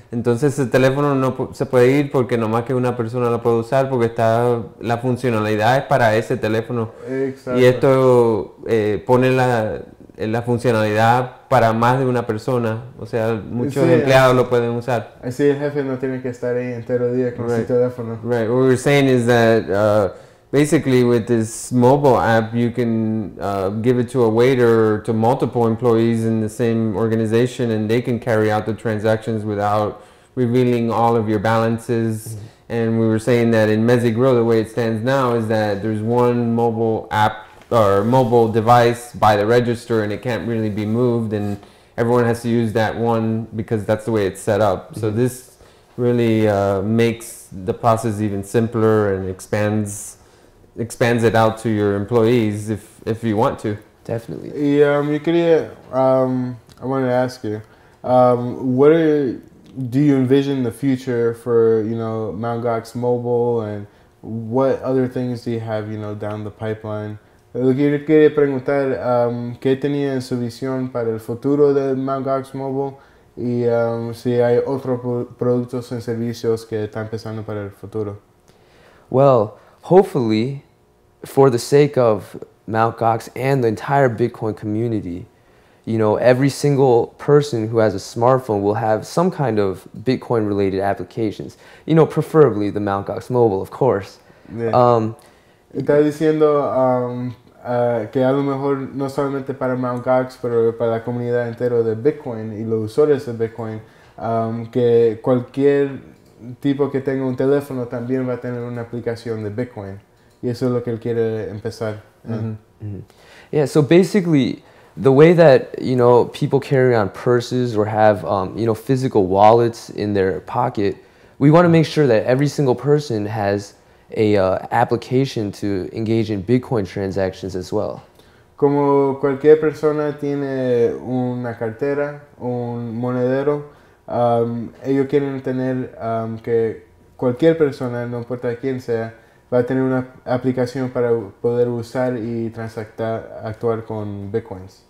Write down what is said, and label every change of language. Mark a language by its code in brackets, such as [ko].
[es] Entonces el teléfono no se puede ir porque no más que una persona lo puede usar, porque está la funcionalidad es para ese teléfono. Exacto. Y esto pone la funcionalidad para más de una persona. O sea, muchos empleados lo pueden usar. Así el jefe no tiene que estar ahí entero día con su teléfono. [en] Right. What we're saying is that basically, with this mobile app, you can give it to a waiter or to multiple employees in the same organization, and they can carry out the transactions without revealing all of your balances. And we were saying that in Messy Grill, the way it stands now is that there's one mobile app or mobile device by the register, and it can't really be moved, and everyone has to use that one because that's the way it's set up. So this really makes the process even simpler and expands it out to your employees if you want to. Definitely. [es] Y yo quería, [en] I wanted to ask you, What do you envision the future for, you know, Mt. Gox Mobile, and what other things do you have, you know, down the pipeline? [es] Lo que quería preguntar, ¿qué tenía en su visión para el futuro de Mt. Gox Mobile? Y si hay otros productos y servicios que están pensando para el futuro. [en] Well, hopefully, for the sake of Mt. Gox and the entire Bitcoin community, you know, every single person who has a smartphone will have some kind of Bitcoin-related applications. You know, preferably the Mt. Gox Mobile, of course. Yeah. [es] Está diciendo que a lo mejor no solamente para Mt. Gox, pero para la comunidad entera de Bitcoin y los usuarios de Bitcoin, que cualquier tipo que tenga un teléfono también va a tener una aplicación de Bitcoin. Y eso es lo que él quiere empezar. Mm-hmm. [en] Yeah, so basically, the way that, you know, people carry on purses or have, you know, physical wallets in their pocket, we want to make sure that every single person has a application to engage in Bitcoin transactions as well. [es] Como cualquier persona tiene una cartera, un monedero, ellos quieren tener que cualquier persona, no importa quién sea, va a tener una aplicación para poder usar y transactar, actuar con Bitcoins.